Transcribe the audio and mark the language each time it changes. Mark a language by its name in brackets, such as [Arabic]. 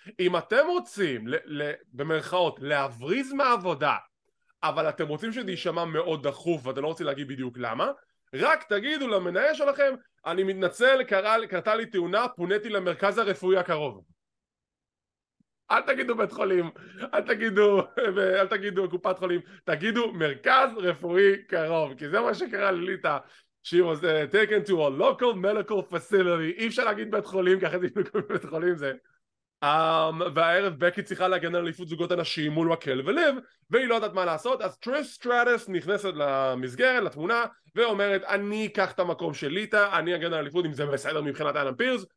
[Hebrew] אם אתם רוצים, במרכאות, להבריז מהעבודה, אבל אתם רוצים שזה יישמע מאוד דחוף, ואתם לא רוצים להגיד בדיוק למה, רק תגידו למנהל שלכם, אני מתנצל, קרתה לי תאונה, פוניתי למרכז הרפואי הקרוב. אל תגידו בית חולים, אל תגידו קופת חולים, תגידו מרכז רפואי קרוב, כי זה מה שקרה לליטה. [English] She was taken to a local medical facility. [Hebrew] אי אפשר להגיד בית חולים, ככה זה יקבל בית חולים זה. והערב בקי צריכה להגן על אליפות זוגות הנשים מול מקל ולב, והיא לא יודעת מה לעשות, אז טריש סטרטס נכנסת למסגרת, לתמונה, ואומרת, אני אקח את המקום של ליטה, אני אגן על אליפות, אם זה בסדר מבחינת אלן פירס.